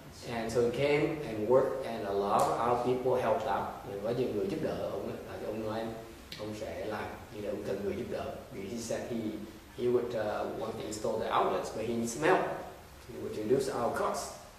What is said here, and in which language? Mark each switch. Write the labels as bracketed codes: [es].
[en] And so he came and worked, and a lot of our people helped out. [vi] Có nhiều người giúp đỡ ông ấy. Tại vì ông nói ông sẽ làm, nhưng mà ông cần người giúp đỡ. [en] Because he said he would want to install the outlets, but he needs help. He would reduce our costs.